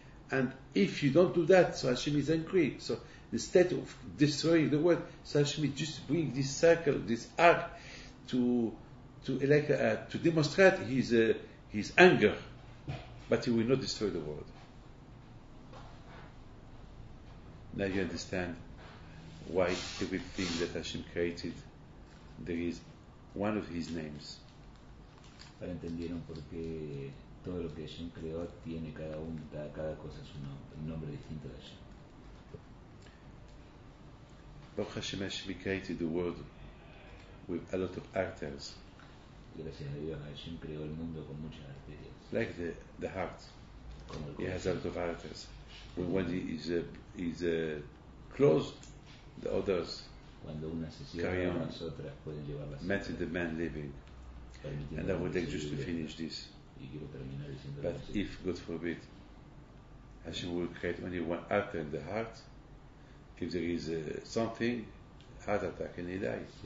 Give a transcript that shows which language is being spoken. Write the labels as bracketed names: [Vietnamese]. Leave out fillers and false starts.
[English] And if you don't do that, so Hashem is angry. So instead of destroying the world, so Hashem just bring this circle, this arc, to demonstrate his anger, but he will not destroy the world. Now you understand why everything that Hashem created, there is one of his names. [Spanish] Para entendieron por qué todo lo que Hashem creó tiene cada una, cada cosa su nombre, un nombre distinto de Hashem. [English] Baruch Hashem, Hashem created the world with a lot of arteries. [Spanish] Gracias a Dios, Hashem creó el mundo con muchas arterias. [English] Like the heart. [Spanish] Como el corazón. [English] He has a lot of arteries. When one is closed, the others carry on, meeting the man living. And I would like just to finish this. But if, God forbid, Hashem will create only one artery in the heart, if there is something, heart attack, and he dies.